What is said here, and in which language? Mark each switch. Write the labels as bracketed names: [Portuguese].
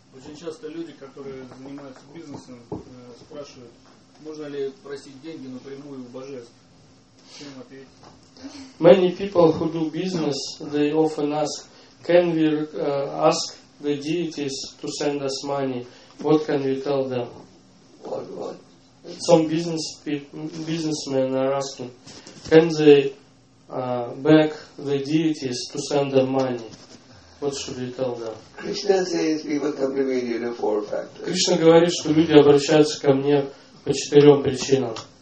[Russian] Очень часто люди, которые занимаются бизнесом, спрашивают, можно ли просить деньги напрямую у божеств. [English] Many people who do business, they often ask, can we ask the deities to send us money? What can we tell them? What? Some businessmen are asking, can they beg the deities to send them money? What should we tell them? Krishna says people come to me due to four factors. [Russian] Кришна говорит, что люди обращаются ко мне по четырем причинам.